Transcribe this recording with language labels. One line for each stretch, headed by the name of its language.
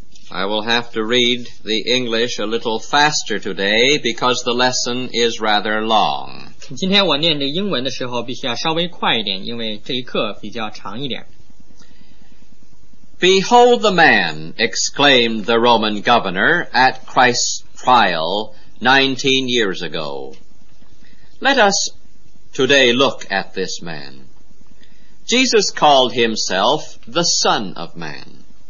English: I will have to read the English a little faster today because the lesson is rather long.
Chinese: 今天我念这英文的时候必须要稍微快一点，因为这一课比较长一点。
English: Behold the man, exclaimed the Roman governor at Christ's trial 19 years ago. Let us today look at this man. Jesus called himself the Son of Man.